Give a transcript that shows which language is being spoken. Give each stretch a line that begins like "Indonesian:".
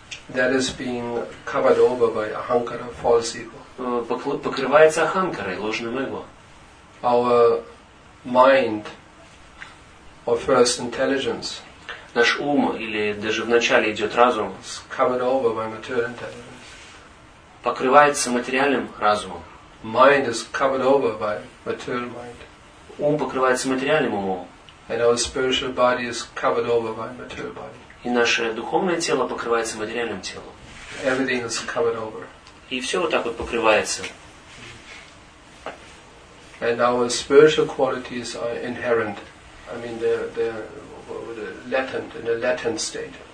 English: that is being covered over by ahankara, false ego,
Russian: покрывается аханкарой, ложным эго.
English: Our mind or first intelligence,
Russian: наш ум или даже в начале идет разум,
English: is covered over by material intelligence,
Russian: покрывается материальным разумом.
English: Mind is covered over by material mind.
Russian: Ум покрывается материальным умом.
English: And our spiritual body is covered over by material body.
Russian: И наше духовное тело покрывается материальным телом.
English: Everything is covered over.
Russian: И все вот так вот покрывается.
English: And our spiritual qualities are inherent. I mean, they're latent, in a latent state.